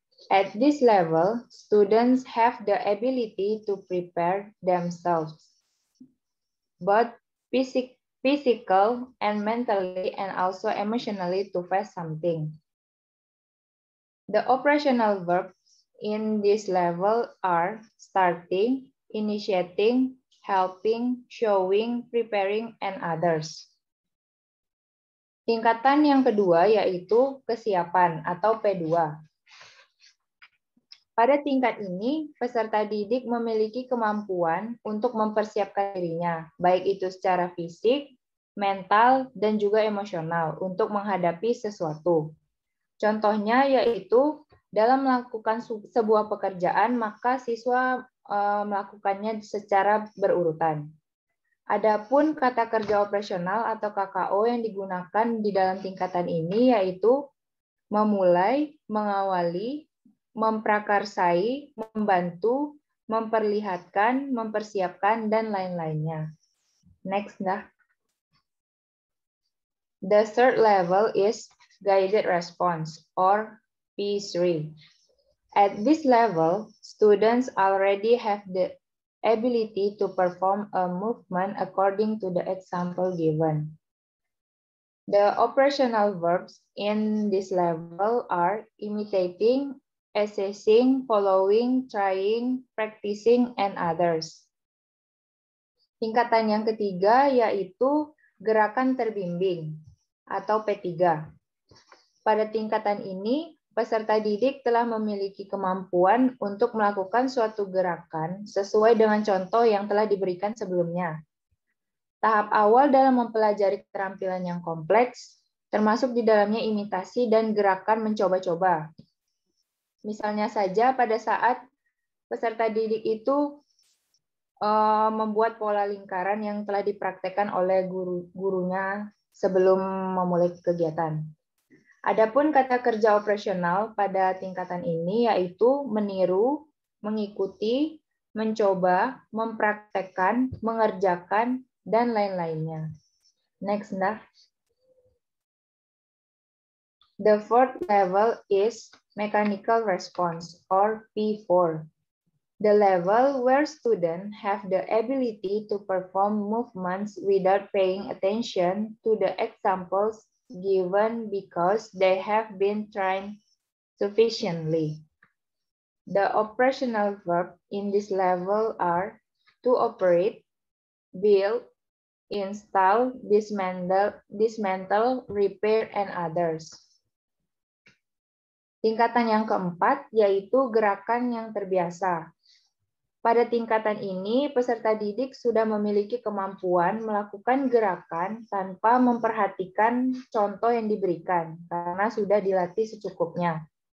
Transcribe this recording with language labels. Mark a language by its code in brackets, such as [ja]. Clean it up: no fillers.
[en] At this level, students have the ability to prepare themselves, both physical and mentally, and also emotionally to face something. The operational verbs in this level are starting, initiating, helping, showing, preparing, and others. [id] Tingkatan yang kedua yaitu kesiapan atau P2. Pada tingkat ini, peserta didik memiliki kemampuan untuk mempersiapkan dirinya, baik itu secara fisik, mental, dan juga emosional untuk menghadapi sesuatu. Contohnya yaitu dalam melakukan sebuah pekerjaan, maka siswa melakukannya secara berurutan. Adapun kata kerja operasional atau KKO yang digunakan di dalam tingkatan ini yaitu memulai, mengawali, memprakarsai, membantu, memperlihatkan, mempersiapkan, dan lain-lainnya. [en] Next, dah. The third level is guided response, or P3. At this level, students already have the ability to perform a movement according to the example given. The operational verbs in this level are imitating, assessing, following, trying, practicing, and others. [id] Tingkatan yang ketiga yaitu gerakan terbimbing atau P3. Pada tingkatan ini, peserta didik telah memiliki kemampuan untuk melakukan suatu gerakan sesuai dengan contoh yang telah diberikan sebelumnya. Tahap awal dalam mempelajari keterampilan yang kompleks, termasuk di dalamnya imitasi dan gerakan mencoba-coba. Misalnya saja pada saat peserta didik itu membuat pola lingkaran yang telah dipraktekkan oleh gurunya sebelum memulai kegiatan. Adapun kata kerja operasional pada tingkatan ini yaitu meniru, mengikuti, mencoba, mempraktekkan, mengerjakan, dan lain-lainnya. [en] Next, nah. The fourth level is mechanical response, or P4. The level where students have the ability to perform movements without paying attention to the examples given because they have been trained sufficiently. The operational verb in this level are to operate, build, install, dismantle, repair, and others. [id] Tingkatan yang keempat yaitu gerakan yang terbiasa. Pada tingkatan ini, peserta didik sudah memiliki kemampuan melakukan gerakan tanpa memperhatikan contoh yang diberikan, karena sudah dilatih secukupnya.